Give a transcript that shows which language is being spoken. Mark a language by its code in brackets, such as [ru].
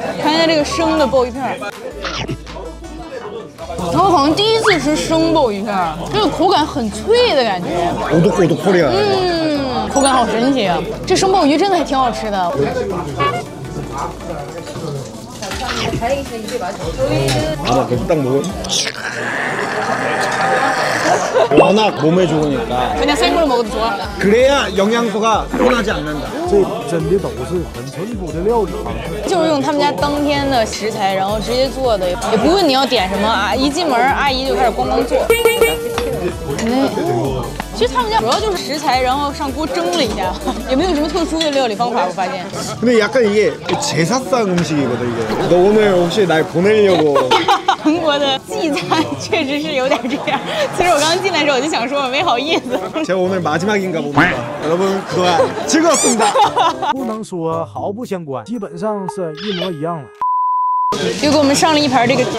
[zh] 看见这个生的鲍鱼片我好像第一次吃生鲍鱼片，那个口感很脆的感觉，我都火的哭了。嗯，口感好神奇啊！这生鲍鱼真的还挺好吃的。 [ko] 아마그딱먹으면워낙몸에좋으니까 그냥생으로먹어도좋아 그래야영양소가떠나지않는다 [zh] 这真的都是很淳朴的料理，就是用他们家当天的食材，然后直接做的，也不问你要点什么啊，一进门阿姨就开始咣咣做。其实他们家主要就是食材，然后上锅蒸了一下，也没有什么特殊的料理方法。我发现， [ko] 근데약간이게제사상음식이거든이게너오늘혹시날보내려고 [zh] 韩国的祭餐确实是有点这样。其实我刚进来的时候我就想说我没好意思。 [ko] 제가오늘마지막인가보니까여러분그동안즐거웠습니다 [zh] 不能说毫不相关，基本上是一模一样了。又给我们上了一盘这个